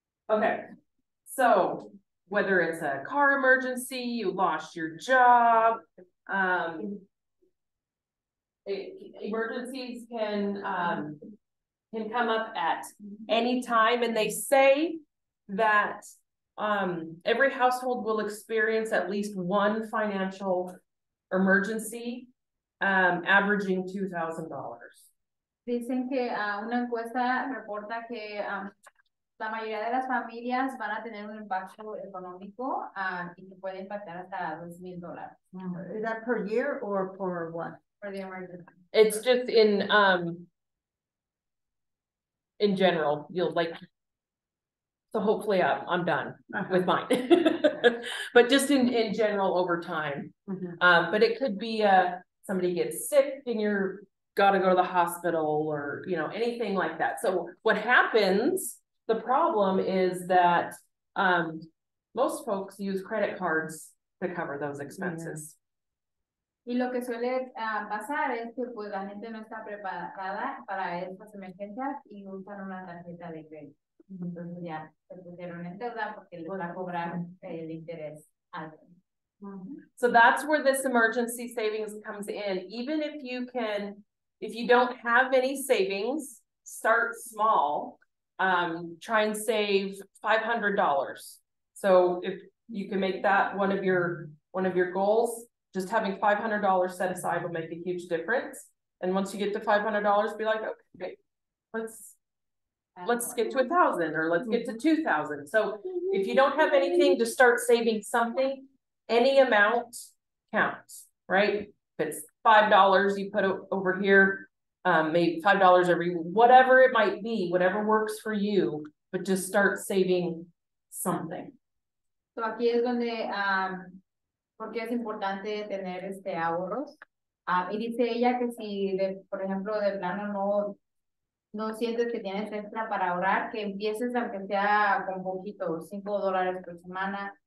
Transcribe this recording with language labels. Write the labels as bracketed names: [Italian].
[English] Okay, so whether it's a car emergency, you lost your job, emergencies can come up at any time, and they say that every household will experience at least one financial emergency, averaging $2,000. [Spanish] Dicen que una encuesta reporta que la mayoría de las familias van a tener un impacto económico y que puede impactar hasta $2,000. [English] Mm-hmm. Is that per year or per what? For the emergency. It's just in general. You'll like, so hopefully I'm done with mine. But just in general over time. Mm-hmm. But it could be somebody gets sick and you're got to go to the hospital or, you know, anything like that. So what happens, the problem is that most folks use credit cards to cover those expenses. [Spanish] Y lo que suele pasar es que pues la gente no está preparada para estas emergencias y usan una tarjeta de crédito. Entonces ya, se pusieron en deuda porque les va a cobrar el interés alto. [English] So that's where this emergency savings comes in. Even if you can, if you don't have any savings, start small. try and save $500. So if you can make that one of your goals, just having $500 set aside will make a huge difference. And once you get to $500, be like, okay, let's get to 1,000 or let's get to 2,000. So if you don't have anything to start saving something, any amount counts, right? If it's $5 you put over here, maybe $5 every, whatever it might be, whatever works for you, but just start saving something. [Spanish] So aquí es donde, porque es importante tener ahorros. Y dice ella que si, por ejemplo, de plano no sientes que tienes extra para ahorrar, que empieces aunque sea con poquito, $5 por semana.